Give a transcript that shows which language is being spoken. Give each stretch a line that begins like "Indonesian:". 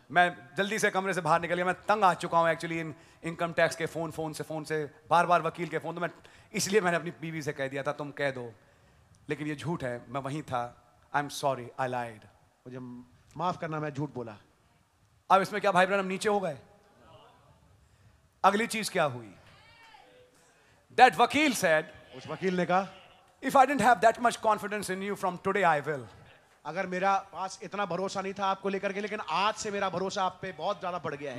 Hindi: मैं जल्दी से कमरे से बाहर निकल गया। मैं तंग आ चुका हूँ एक्चुअली इन इनकम टैक्स के फोन से बार बार वकील के फोन, तो मैं इसलिए मैंने अपनी बीवी से कह दिया था तुम कह दो, लेकिन ये झूठ है, मैं वहीं था।
English: I'm sorry. I lied.
Hindi: मुझे माफ करना, मैं झूठ बोला। अब इसमें क्या भाई बहन हम नीचे हो गए? अगली चीज क्या हुई?
English: That वकील said,
Hindi: उस वकील ने कहा,
English: If I didn't have that much confidence in you from today, I will.
Hindi: अगर मेरा पास इतना भरोसा नहीं था आपको लेकर के, लेकिन आज से मेरा भरोसा आप पे बहुत ज्यादा बढ़ गया है।